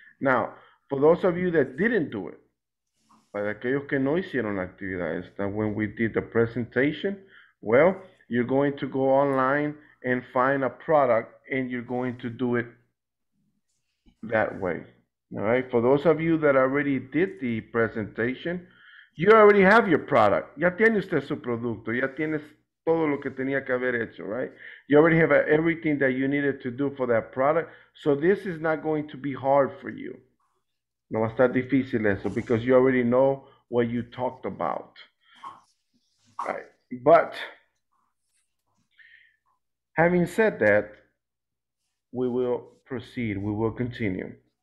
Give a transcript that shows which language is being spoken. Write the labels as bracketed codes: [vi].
[en] Now, for those of you that didn't do it, [es] para aquellos que no hicieron la actividad esta, [en] when we did the presentation, well, you're going to go online and find a product and you're going to do it that way. All right. For those of you that already did the presentation, you already have your product. [es] Ya tiene usted su producto. Ya tienes todo lo que tenía que haber hecho, right? [en] You already have everything that you needed to do for that product. So this is not going to be hard for you. [es] No va a estar difícil eso, [en] because you already know what you talked about. Right. But having said that, we will proceed. We will continue.